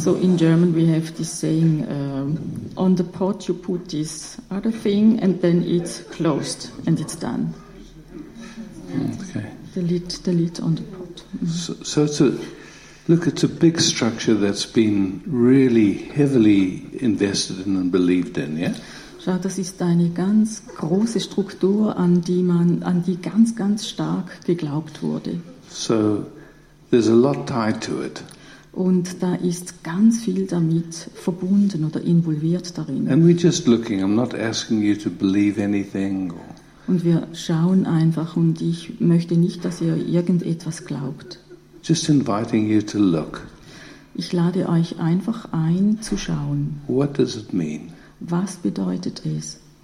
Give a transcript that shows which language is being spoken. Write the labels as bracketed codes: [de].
[en] So in German we have this saying, on the pot you put this other thing and then it's closed and it's done. Okay. The lid on the pot. Mm-hmm. So it's a big structure that's been really heavily invested in and believed in, yeah? [de] Schau, das ist eine ganz große Struktur, an die ganz, ganz stark geglaubt wurde. [en] So there's a lot tied to it. [de] Und da ist ganz viel damit verbunden oder involviert darin. [en] And we're just looking, I'm not asking you to believe anything or... [de] Und wir schauen einfach, und ich möchte nicht, dass ihr irgendetwas glaubt. [en] Just inviting you to look. [de] Ich lade euch einfach ein, zu schauen. [en] What does it mean? [de] Was bedeutet es?